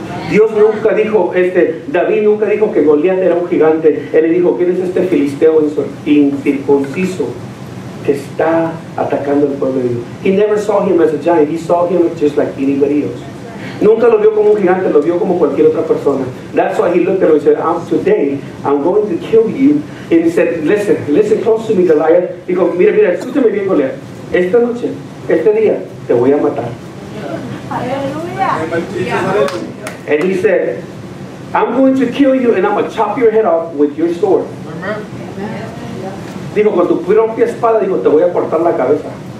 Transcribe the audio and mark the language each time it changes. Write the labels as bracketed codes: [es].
[es] Dios nunca dijo, David nunca dijo que Goliath era un gigante. Él le dijo, ¿quién es este filisteo incircunciso que está atacando el pueblo de Dios? [en] He never saw him as a giant. He saw him just like anybody else. [es] Nunca lo vio como un gigante, lo vio como cualquier otra persona. [en] That's why he looked at him and said, today, I'm going to kill you. And he said, listen close to me, Goliath. [es] Dijo, mira, escúchame bien, Goliath. Esta noche, este día, te voy a matar. [en] Hallelujah. And he said, I'm going to kill you and I'm going to chop your head off with your sword. Amen. [es] Dijo, con tu propia espada, dijo, te voy a cortar la cabeza.